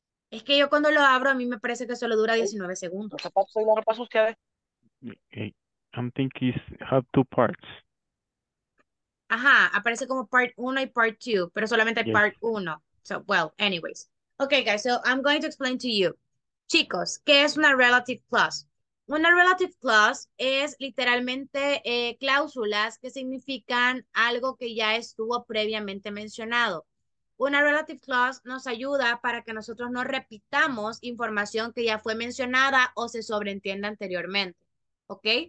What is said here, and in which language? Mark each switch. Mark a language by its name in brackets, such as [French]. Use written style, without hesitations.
[Spanish] Es que yo cuando lo abro, a mí me parece que solo dura 19 segundos. ¿Qué pasa ustedes? [English] I'm thinking it's have two parts. [Spanish] Ajá, aparece como part 1 y part 2, pero solamente yes. [English] Part 1. So, well, anyways. Okay, guys, so I'm going to explain to you. [Spanish] Chicos, ¿qué es una relative clause? Una relative clause es literalmente cláusulas que significan algo que ya estuvo previamente mencionado. Una relative clause nos ayuda para que nosotros no repitamos información que ya fue mencionada o se sobreentienda anteriormente. ¿Ok?